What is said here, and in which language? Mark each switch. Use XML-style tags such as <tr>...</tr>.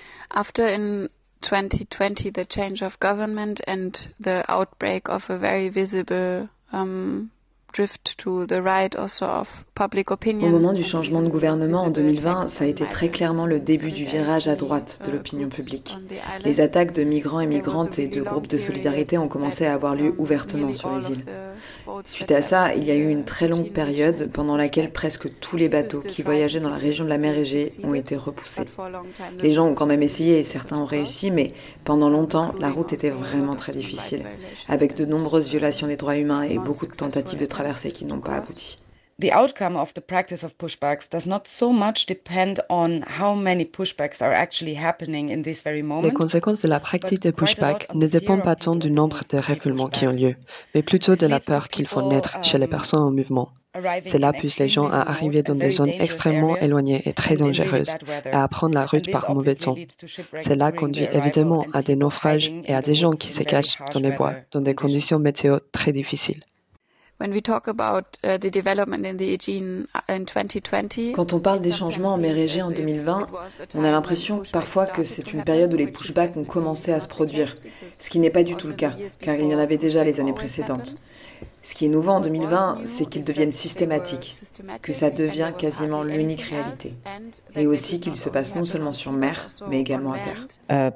<en>After in 2020 the change of government and the outbreak of a very visible drift to the right also of public opinion.</en> <fr>Au moment du changement de gouvernement en 2020, ça a été très clairement le début du virage à droite de l'opinion publique. Les attaques de migrants et migrantes et de groupes de solidarité ont commencé à avoir lieu ouvertement sur les îles. Suite à ça, il y a eu une très longue période pendant laquelle presque tous les bateaux qui voyageaient dans la région de la mer Égée ont été repoussés. Les gens ont quand même essayé et certains ont réussi, mais pendant longtemps, la route était vraiment très difficile, avec de nombreuses violations des droits humains et beaucoup de tentatives de traversée qui n'ont pas abouti.</fr> <en>The outcome of the practice of pushbacks does not so much depend on how many pushbacks are actually happening in this very moment.</en> <fr>Les conséquences de la pratique des pushbacks ne dépendent pas tant du nombre de refoulements qui ont lieu, mais plutôt de la peur qu'ils font naître chez les personnes en mouvement. Cela pousse les gens à arriver dans des zones extrêmement éloignées et très dangereuses, et à prendre la route par mauvais temps. Cela conduit évidemment à des naufrages et à des gens qui se cachent dans les bois, dans des conditions météo très difficiles.</fr> <en>When we talk about the development in the Aegean in 2020,</en> <fr>quand on parle des changements en mer Égée en 2020, on a l'impression parfois que c'est une période où les pushbacks ont commencé à se produire, ce qui n'est pas du tout le cas, car il y en avait déjà les années précédentes. Ce qui est nouveau en 2020, c'est qu'ils deviennent systématiques, que ça devient quasiment l'unique réalité, et aussi qu'ils se passent non seulement sur mer, mais également à terre.</fr>